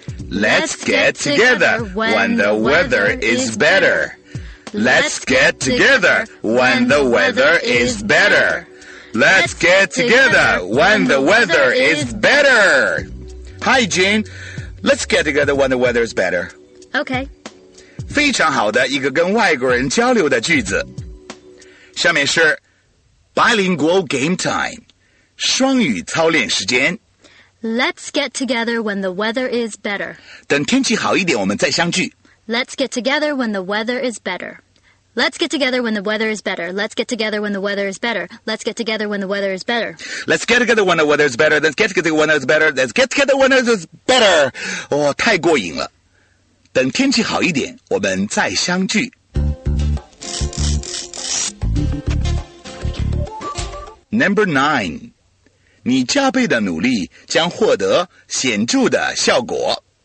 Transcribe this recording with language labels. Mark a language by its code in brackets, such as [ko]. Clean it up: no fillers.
[en] Let's get together when the weather is better. Let's get together when the weather is better. Let's get together when the weather is better. Hi, Jane. Let's get together when the weather is better. Okay. [zh] 非常好的一个跟外国人交流的句子。下面是 [en] Bilingual game time. [zh] 双语操练时间。 [en] Let's get together when the weather is better. [zh] 等天气好一点我们再相聚。 [en] Let's get together when the weather is better. Let's get together when the weather is better. Let's get together when the weather is better. Let's get together when the weather is better. Let's get together when the weather is better. Let's get together when it's better. Let's get together when it's better. [zh] 哦，太过瘾了。等天气好一点我们再相聚。 [en] Number 9. [zh] 你加倍的努力将获得显著的效果。